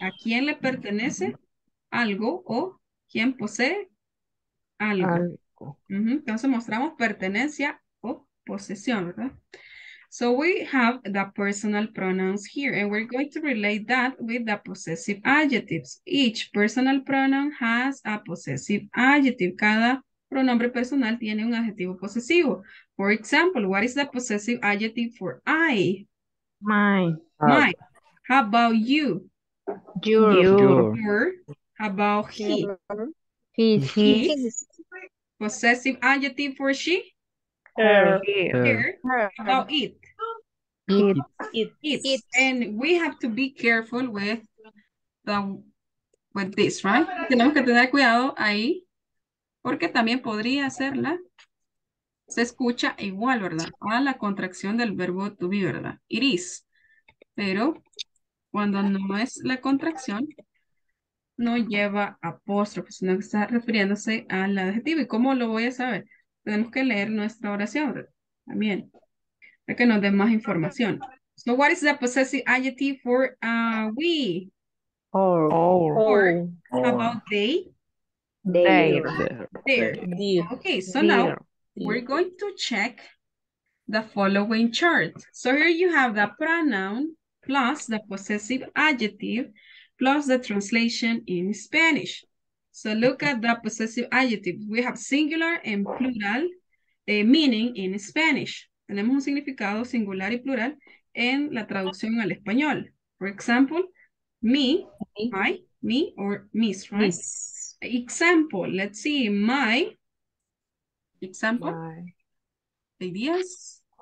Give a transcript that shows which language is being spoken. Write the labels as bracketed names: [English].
[Spanish] A quién le pertenece algo o quién posee algo. Entonces mostramos pertenencia o posesión, ¿verdad? [English] So we have the personal pronouns here, and we're going to relate that with the possessive adjectives. Each personal pronoun has a possessive adjective. [Spanish] Cada pronombre personal tiene un adjetivo posesivo. [English] For example, what is the possessive adjective for I? My. How about you? Your. How about he? His. Possessive adjective for she? Her. How about it? It. And we have to be careful with this, right? [Spanish] Tenemos que tener cuidado ahí, porque también podría hacerla. Se escucha igual, ¿verdad? A la contracción del verbo to be, ¿verdad? [English] It is. [Spanish] Pero cuando no es la contracción, no lleva apóstrofe, sino que está refiriéndose al adjetivo. ¿Y cómo lo voy a saber? Tenemos que leer nuestra oración también, para que nos dé más información. [English] So, what is the possessive adjective for we? Or. How about they? There. Okay, so there. Now we're going to check the following chart. So here you have the pronoun plus the possessive adjective plus the translation in Spanish. So look at the possessive adjective. We have singular and plural meaning in Spanish. [Spanish] Tenemos un significado singular y plural en la traducción al español. [English] For example, me or miss, right? Miss. Example, let's see, my example, my. Ideas,